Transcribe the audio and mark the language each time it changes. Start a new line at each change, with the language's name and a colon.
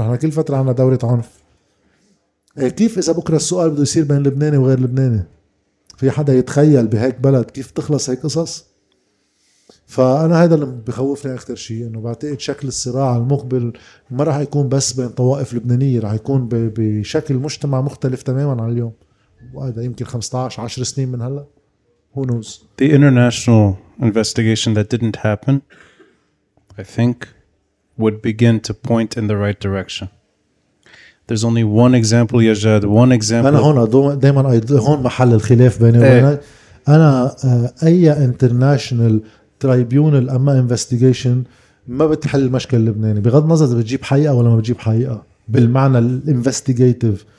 Arabic: نحن كل فترة عنا دورة عنف. كيف إذا بكرة السؤال بده يصير بين لبناني وغير لبناني؟ في حدا يتخيل بهيك بلد كيف تخلص هاي قصص؟ فأنا هذا اللي بخوفني أكثر شيء، إنه بعتقد شكل الصراع المقبل ما راح يكون بس بين طوائف لبنانية، راح يكون بشكل مجتمع مختلف تماماً عن اليوم. وهذا يمكن 15 10 سنين من هلا.
English: Who knows? The international investigation that didn't happen, I think, would begin to point in the right direction. There's only one example, Yajad. One example.
Arabic: أنا هون دائماً هون محل الخلاف بيني وبينك. أنا أي
English: international tribunal
Arabic: أما investigation ما بتحل المشكلة اللبناني بغض النظر بتجيب حقيقة ولا ما بتجيب حقيقة بالمعنى investigative.